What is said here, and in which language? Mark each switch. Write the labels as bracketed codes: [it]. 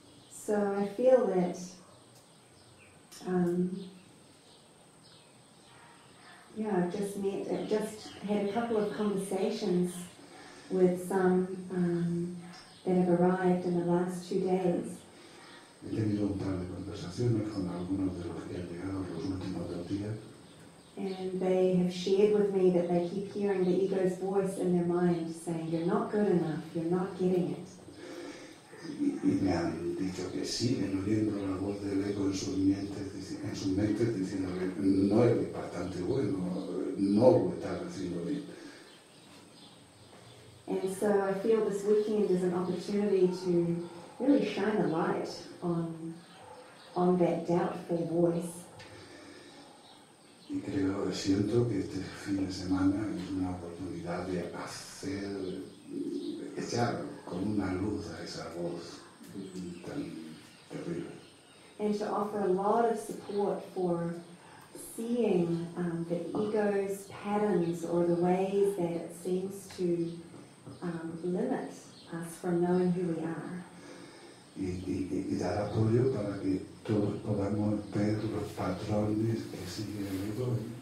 [en] So I feel that yeah, I've just had a couple of conversations with some that have arrived in the last 2 days. [es] He tenido un par de conversaciones con algunos de los que han llegado los últimos 2 días. [en] And they have shared with me that they keep hearing the ego's voice in their mind saying, you're not good enough, you're not getting it. [es] Y me han dicho que siguen oyendo la voz del ego en sus mentes diciendo que no es bastante bueno, no lo está haciendo bien. [en] And so I feel this weekend is an opportunity to really shine a light on that doubtful voice. [es] Y siento que este fin de semana es una oportunidad de hacer echar con una luz a esa voz tan terrible. [en] and to offer a lot of support for seeing the ego's patterns or the ways that it seems to limit us from knowing who we are. [es] Y dar apoyo para que todos podamos ver los patrones que sigue el ego.